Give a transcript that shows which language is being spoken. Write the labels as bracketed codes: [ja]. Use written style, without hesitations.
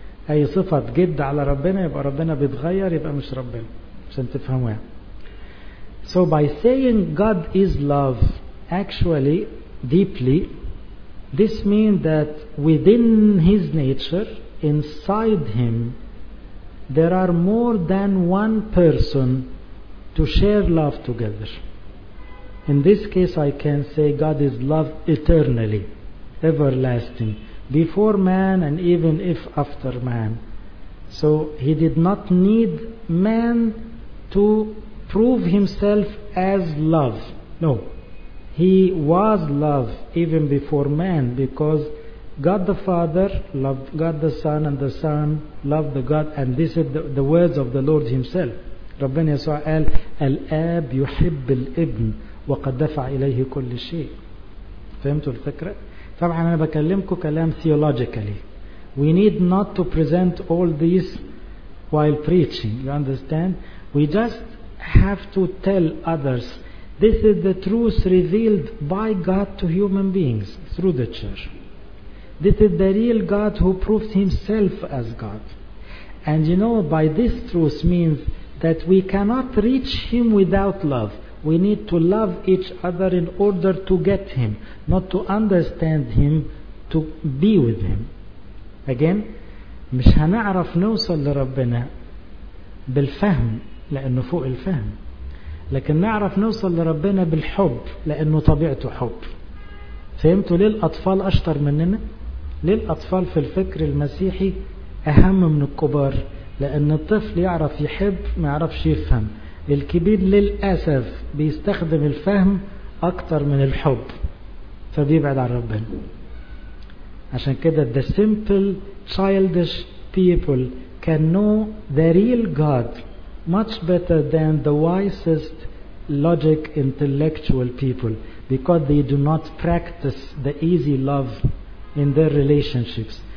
[ar] أي صفة تجد على ربنا يبقى ربنا بيتغير، يبقى مش ربنا، عشان تفهموها. [en] So by saying God is love actually, deeply, this means that within his nature, inside him, there are more than one person to share love together. In this case, I can say God is love eternally, everlasting, before man and even if after man. So he did not need man to prove himself as love. No, he was love even before man, because God the Father loved God the Son, and the Son loved the God, and this is the words of the Lord himself. [ar] ربنا يسوع قال الآب يحب الابن وقد دفع إليه كل شيء. فهمتوا الفكرة؟ طبعا أنا بكلمكم كلام theologically. [en] We need not to present all these while preaching. You understand? We just have to tell others this is the truth revealed by God to human beings through the church. This is the real God who proved himself as God. And you know, by this truth means that we cannot reach him without love. We need to love each other in order to get him, not to understand him, to be with him. [ar] Again, مش هنعرف نوصل لربنا بالفهم لأنه فوق الفهم، لكن نعرف نوصل لربنا بالحب لأنه طبيعته حب. فهمتوا ليه الأطفال أشطر مننا؟ ليه الأطفال في الفكر المسيحي أهم من الكبار؟ لأن الطفل يعرف يحب ما يعرفش يفهم. الكبير للأسف بيستخدم الفهم أكتر من الحب، فبيبعد عن ربنا. عشان كده [en] the simple childish people can know the real God much better than the wisest logic intellectual people, because they do not practice the easy love in their relationships.